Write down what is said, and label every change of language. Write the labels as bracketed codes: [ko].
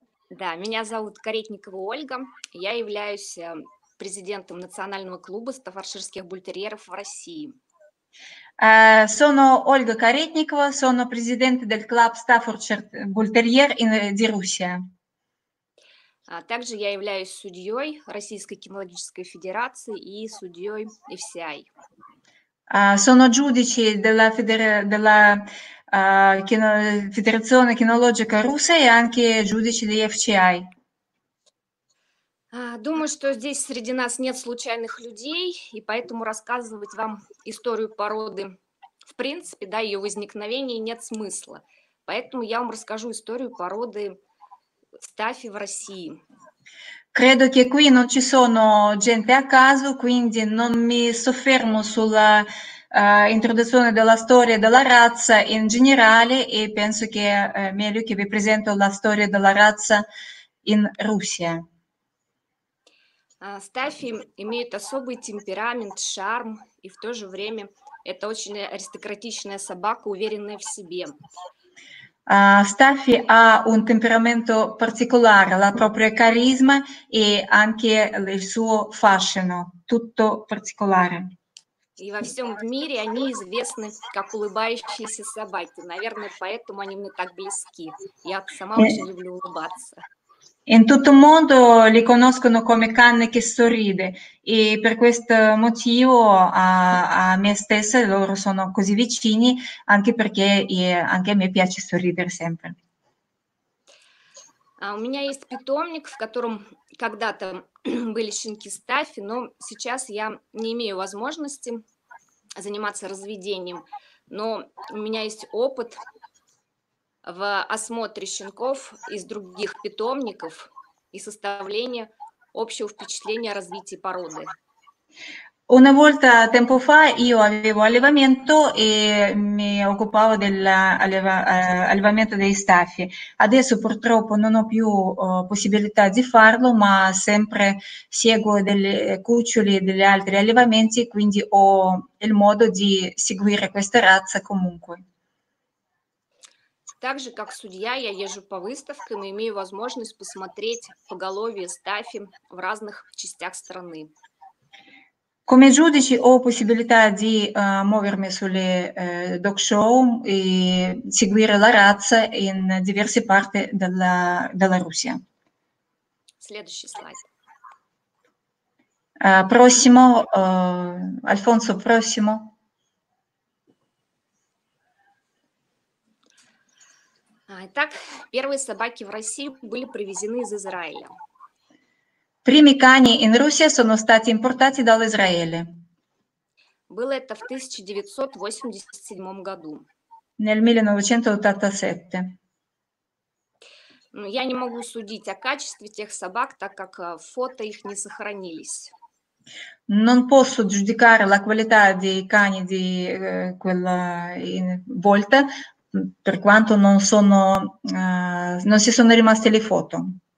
[ru] Меня зовут Каретникова Ольга. Я являюсь президентом Национального клуба стаффордширских бультерьеров в России. [it] Sono Ольга Каретникова, sono presidente del club Staffordshire Bull Terrier in Russia. [ru] Также я являюсь судьей Российской кинологической федерации и судьей FCI. [it] Sono giudice della Federazione Kinologica Russa e anche giudice di FCI. [ru] Думаю, что здесь среди нас нет случайных людей, и поэтому рассказывать вам историю породы, в принципе, да, ее возникновения нет смысла. Поэтому я вам расскажу историю породы Staffy в России. [it] Credo che qui non ci sono gente a caso, quindi non mi soffermo sulla introduzione della storia della razza in generale e penso che è meglio che vi presento la storia della razza in Russia. [ru] Staffy имеют особый темперамент, шарм, и в то же время это очень аристократичная собака, уверенная в себе. [it] Staffy ha un temperamento particolare, la propria carisma e anche il suo fascino, tutto particolare. [ru] И во всем мире они известны как улыбающиеся собаки, наверное, поэтому они мне так близки. Я сама очень люблю улыбаться. [it] In tutto il mondo li conoscono come cane che sorride e per questo motivo a me stessa loro sono così vicini anche perché anche a me piace sorridere sempre. [ru] У меня есть питомник, в котором когда-то были щенки Staffy, но сейчас я не имею возможности заниматься разведением, но у меня есть опыт в осмотре щенков из других питомников и составлении общего впечатления о развитии породы. [it] Una volta tempo fa io avevo allevamento e mi occupavo dell'allevamento dei Staffy. Adesso purtroppo non ho più possibilità di farlo, ma sempre seguo delle cuccioli e degli altri allevamenti, quindi ho il modo di seguire questa razza comunque. [ru] Также, как судья, я езжу по выставкам и имею возможность посмотреть поголовье Staffy в разных частях страны. [it] Come giudice ho possibilità di muovermi sulle dog show e seguire la razza in diverse parti della Russia. [ru] Следующий слайд. [it] Prossimo, Alfonso, prossimo. [ru] Итак, первые собаки в России были привезены из Израиля. [it] Primi cani in Russia sono stati importati dall'Israele. [ru] Было это в 1987 году. [it] Nel 1987. [ru] Ну, я не могу судить о качестве тех собак, так как фото их не сохранились. [it] Non posso giudicare la qualità dei cani di quella volta. Per quanto non si sono rimaste le foto.